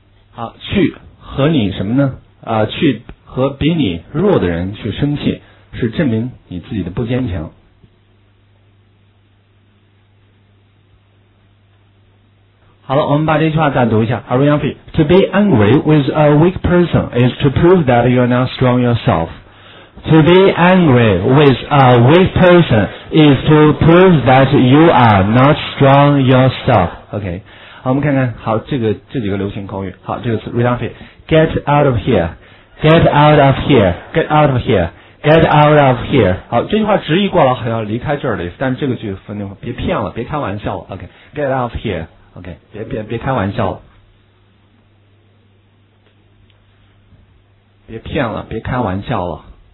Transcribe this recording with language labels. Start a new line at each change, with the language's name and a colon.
Chinese: 好，去和你什么呢？去。和比你弱的人去生气，是证明你自己的不坚强。好了，我们把这句话再读一下。
English: Are you angry? To be angry with a weak person is to prove that you are not strong yourself. To be angry with a weak person is to prove that you are not strong yourself. Okay.
Chinese: 好，我们看看，好，这几个流行口语。好，这个词
English: ，Are you angry? Get out of here. Get out of here, get out of here, get out of here.
Chinese: 好，这句话直译过来好像离开这儿的意思，但是这个句分的话，别骗了，别开玩笑了。
English: OK, get out of here.
Chinese: OK, 别开玩笑了，别骗了，别开玩笑了。